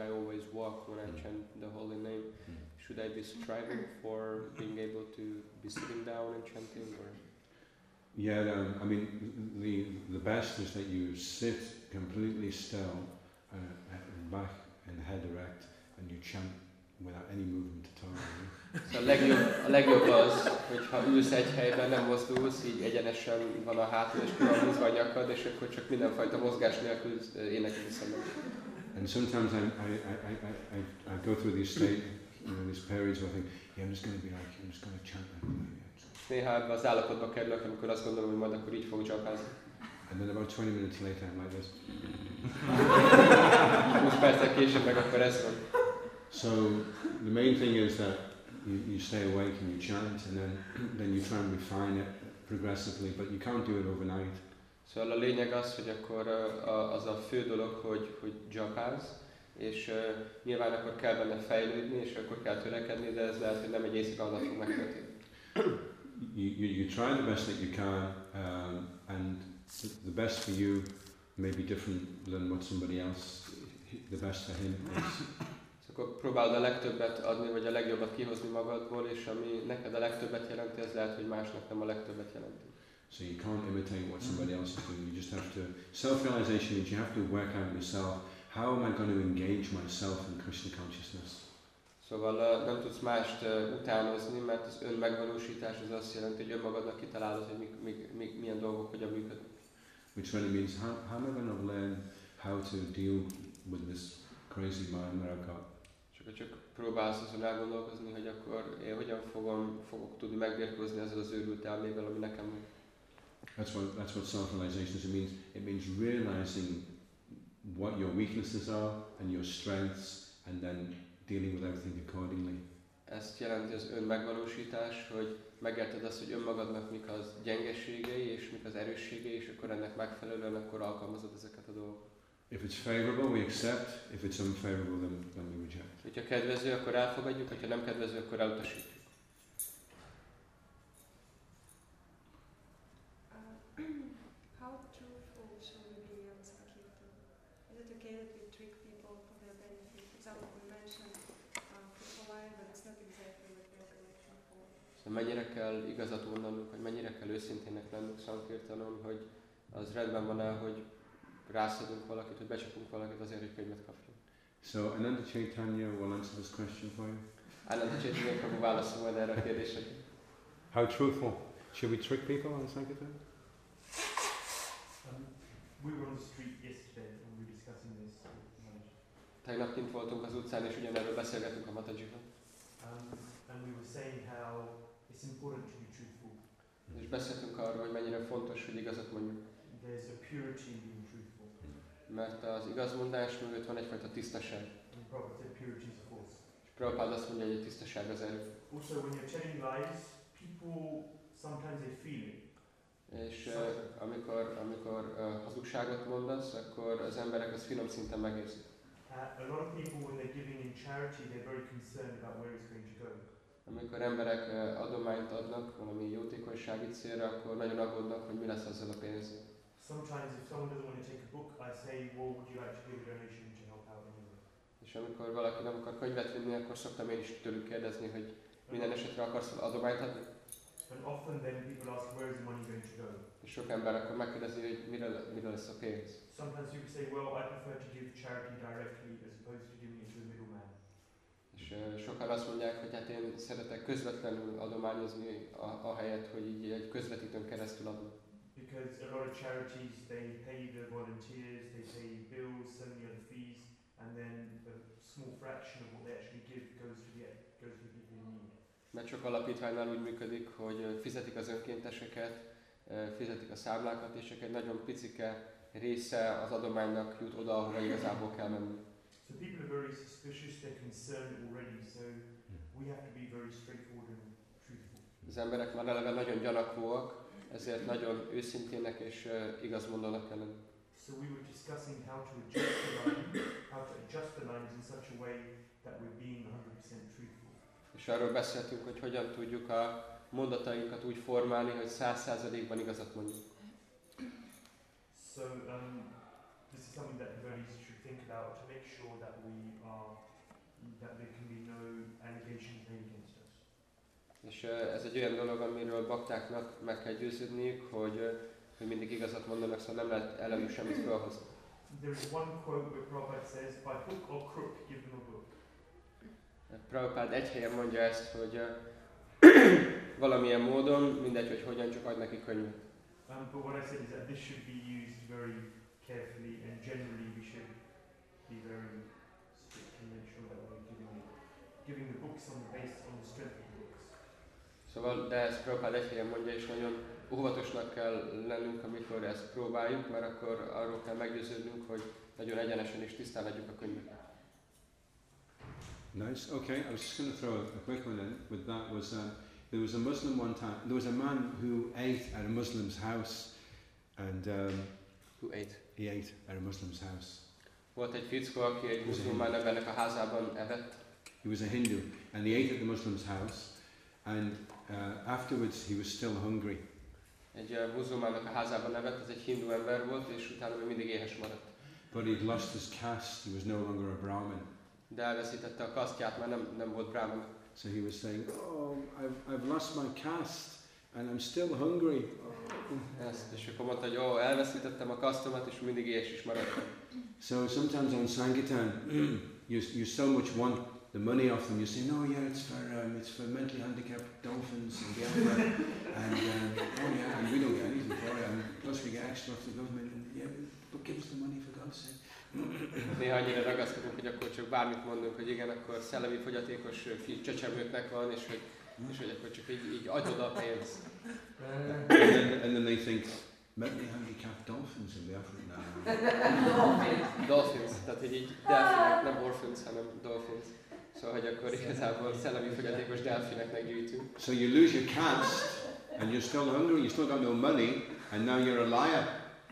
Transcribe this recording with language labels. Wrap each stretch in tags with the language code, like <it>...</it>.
<en>I always walk when I chant the holy name. Should I be striving for being able to be sitting down and chanting? Or? Yeah, I mean, the best is that you sit completely still, back and head erect, and you chant without any movement at all.</en> <hu>A legjobb az, hogyha ülsz egy helyben, nem mozdulsz, így egyenesen van a hátad, és külön húzva a nyakad, és akkor csak mindenfajta mozgás nélkül énekelni szemben.</hu> <en>And sometimes I go through these states, you know, these periods where I think, yeah, I'm just going to be like, I'm just going to chant like that.</en> <hu>Néha ebben az állapotba kerülök, amikor azt gondolom, hogy majd akkor így fog csapázni.</hu> <en>And then about 20 minutes later, I'm like this.</en> <hu>20 percet később meg akkor ez van.</hu> <en>So the main thing is that you stay awake and you chant, and then you try and refine it progressively, but you can't do it overnight.</en> <hu>So a lényeg az, hogy akkor az a fő dolog, hogy japánsz, és nyilván akkor kell benne fejlődni, és akkor kell törekedni, de ez lehet, hogy nem egy éjszaka alatt fog megtörténni.</hu> <en>You try the best that you can, and the best for you may be different than what somebody else, the best for him is.</en> <hu>Akkor próbáld a legtöbbet adni, vagy a legjobbat kihozni magadból, és ami neked a legtöbbet jelenti, ez lehet, hogy másnak nem a legtöbbet jelenti.</hu> <en>So you can't imitate what somebody else is doing. You just have to self-realization means you have to work out yourself. How am I going to engage myself in Krishna consciousness?</en> <hu>Szóval nem tudsz mást utánozni, mert az ön megvalósítás az azt jelenti, hogy önmagadnak kitalálod, hogy milyen dolgok hogyan működnek.</hu> <en>Which really means how am I going to learn how to deal with this crazy mind that I've got?</en> <hu>Csak próbálsz azon elgondolkozni, hogy akkor én hogyan fogok tudni megbírkozni ezzel az őrült elmével, ami nekem.</hu> <en>That's what self-realization is. It means realizing what your weaknesses are and your strengths, and then dealing with everything accordingly.</en> <hu>Ezt jelenti az önmegvalósítás, hogy megérted azt, hogy önmagadnak mik az gyengeségei és mik az erősségei, és akkor ennek megfelelően akkor alkalmazod ezeket a dolgokat.</hu> <en>If it's favorable, we accept. If it's unfavorable, then we reject.</en> <hu>Hogyha kedvező, akkor elfogadjuk, hogyha nem kedvező, akkor elutasítjuk. Mennyire kell igazat mondanunk, hogy mennyire kell őszintének lennünk Sankirtanon, hogy az rendben van-e, hogy rászadunk valakit, hogy becsapunk valakit azért, hogy könyvet kapjunk.</hu> <en>So Ananda Chaitanya will answer this question for you.</en> <hu>Ananda Chaitanya Prabhu válaszol majd erre a kérdésre.</hu> <en>How truthful? Should we trick people on Sankirtan? We were on the street yesterday and we were discussing this with Mataji.</en> <hu>Tegnap kint voltunk az utcán és ugyanerről beszélgetünk a Matajival.</hu> <en>And we were saying how it's important to be truthful.</en> <hu>És beszéltünk arról, hogy mennyire fontos, hogy igazat mondjuk.</hu> <en>There's a purity in being truthful.</en> <hu>Mert az igazmondás mögött van egyfajta tisztaság.</hu> <en>Prabhupada said purity is a force.</en> <hu>És Prabhupada azt mondja, hogy a tisztaság az erő.</hu> <en>Also, when you're telling lies, people sometimes they feel it.</en> <hu>És amikor hazugságot mondasz, akkor az emberek az finom szinten megérzik.</hu> <en>A lot of people when they're giving in charity, they're very concerned about where it's going to go.</en> <hu>Amikor emberek adományt adnak valami jótékonysági célra, akkor nagyon aggódnak, hogy mi lesz azzal a pénzzel.</hu> <en>Sometimes if someone doesn't want to take a book, I say, well, would you like to give a donation to help out anyone?</en> <hu>És amikor valaki nem akar könyvet vinni, akkor szoktam én is tőlük kérdezni, hogy minden esetre akarsz adományt adni?</hu> <en>And often then people ask, where is the money going to go?</en> <hu>És sok ember akkor megkérdezi, hogy mire lesz a pénz.</hu> <en>Sometimes you say, well, I prefer to give charity directly as opposed to giving it to a middleman.</en> <hu>És sokan azt mondják, hogy hát én szeretek közvetlenül adományozni ahelyett, hogy így egy közvetítőn keresztül adom.</hu> <en>Because a lot of charities, they pay the volunteers, they pay bills, so many other fees, and then a small fraction of what they actually give goes to the people in need.</en> <hu>Mert sok alapítványnál úgy működik, hogy fizetik az önkénteseket, fizetik a számlákat, és csak egy nagyon picike része az adománynak jut oda, ahova igazából kell menni.</hu> <en>So people are very suspicious, they're concerned already, so we have to be very straightforward and truthful.</en> <hu>Az emberek már eleve nagyon gyanakvóak, ezért nagyon őszintének és igazmondónak kell lenni.</hu> <en>So we were discussing how to adjust the lines in such a way that we're being 100% truthful.</en> <hu>És arról beszéltünk, hogy hogyan tudjuk a mondatainkat úgy formálni, hogy 100%-ban igazat mondjuk.</hu> <en>So this is something that everybody should think about to make sure that there can be no allegations made against us.</en> <hu>És ez egy olyan dolog, amiről baktáknak meg kell győződniük, hogy mindig igazat mondanak, szóval nem lehet ellenük semmit felhozni.</hu> <en>There's one quote where Prabhupada says, by hook or crook, give them a book.</en> <hu>Prabhupád egy helyen mondja ezt, hogy valamilyen módon, mindegy, hogy hogyan, csak adj neki könyvet.</hu> <en>But what I said is that this should be used very carefully and generally we should be very strict and make sure that we're giving the books on the basis on the strength of the books.</en> <hu>Szóval, de ezt Prabhupád egy helyen mondja, és nagyon óvatosnak kell lennünk, amikor ezt próbáljuk, mert akkor arról kell meggyőződnünk, hogy nagyon egyenesen és tisztán legyünk a könyveket.</hu> <en>Nice. Okay, I was just going to throw a quick one in. With that was there was a Muslim one time. There was a man who ate at a Muslim's house, and who ate? He ate at a Muslim's house.</en> <hu>Volt egy fickó, aki egy muszlim embernek a házában evett.</hu> <en>He was a Hindu, and he ate at the Muslim's house, and afterwards he was still hungry.</en> <hu>Egy muszlim embernek a házában evett, ez egy hindu ember volt, és utána mindig éhes maradt.</hu> <en>But he'd lost his caste. He was no longer a Brahmin.</en> <hu>De elveszítette a kasztját, mert nem volt brahmin.</hu> <en>So he was saying, oh, I've lost my caste, and I'm still hungry.</en> <hu>És akkor mondta, hogy elveszítettem a kasztomat, és mindig éhes is maradtam.</hu> <en>So sometimes on Sankirtan, you so much want the money off them. You say, no, yeah, it's for mentally handicapped dolphins and the other. And and we don't get anything for it. Plus we get extra off the government. And, yeah, but give us the money for God's sake.</en> <hu>Néha annyira ragaszkodunk, hogy akkor csak bármit mondunk, hogy igen, akkor szellemi fogyatékos csecsemőknek van, és hogy És hogy akkor csak így adjod a pénzt.</hu> <en>And then they think, maybe they only have dolphins in the African now.</en> <hu>Dolphins, tehát hogy így delfinek, nem orphans, hanem dolphins. Szóval, hogy akkor igazából szellemi fogyatékos delfineknek gyűjtünk.</hu> <en>So you lose your caste, and you're still hungry, you still got no money, and now you're a liar.</en>